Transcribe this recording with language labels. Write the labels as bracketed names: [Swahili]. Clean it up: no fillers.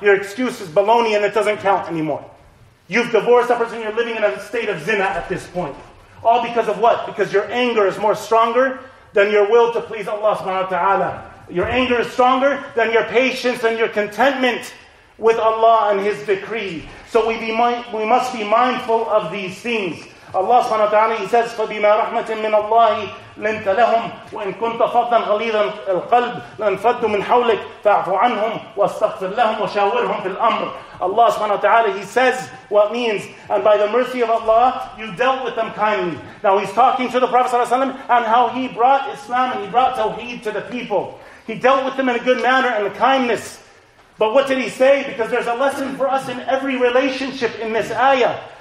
[English] Your excuse is baloney and it doesn't count anymore. You've divorced that person, you're living in a state of zina at this point. All because of what? Because your anger is more stronger than your will to please Allah subhanahu wa ta'ala. Your anger is stronger than your patience and your contentment with Allah and His decree. So we must be mindful of these things. [Arabic] Allah subhanahu wa ta'ala, he says, فَبِمَا رَحْمَةٍ مِّنَ اللَّهِ لِنْتَ لَهُمْ وَإِنْ كُنْتَ فَضًّا غَلِيظًا الْقَلْبِ لَنْفَدُّ مِنْ حَوْلِكَ فَاعْفُ عَنْهُمْ وَاسْتَغْفِرْ لَهُمْ وَشَاوِرْهُمْ فِي الْأَمْرِ. [English] Allah subhanahu wa ta'ala, he says what means, and by the mercy of Allah, you dealt with them kindly. Now he's talking to the Prophet sallallahu alaihi wasallam and how he brought Islam and he brought Tawheed to the people. He dealt with them in a good manner and a kindness. But what did he say? Because there's a lesson for us in every relationship in this ayah.